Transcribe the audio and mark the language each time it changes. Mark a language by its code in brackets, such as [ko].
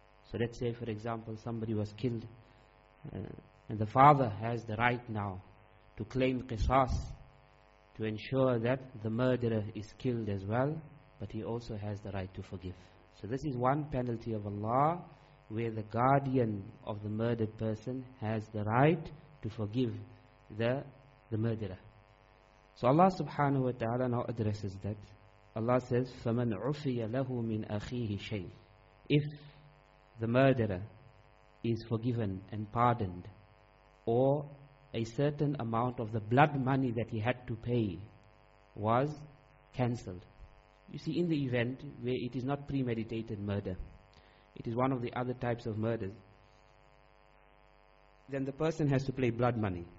[en] So let's say, for example, somebody was killed, and the father has the right now to claim qisas to ensure that the murderer is killed as well, but he also has the right to forgive. So this is one penalty of Allah where the guardian of the murdered person has the right to forgive the murderer. So Allah subhanahu wa ta'ala now addresses that. Allah says, [ar] فَمَنْ عُفِيَ لَهُ مِنْ أَخِيهِ شَيْءٍ. [en] If the murderer is forgiven and pardoned, or a certain amount of the blood money that he had to pay was cancelled. You see, in the event where it is not premeditated murder, it is one of the other types of murders, then the person has to pay blood money.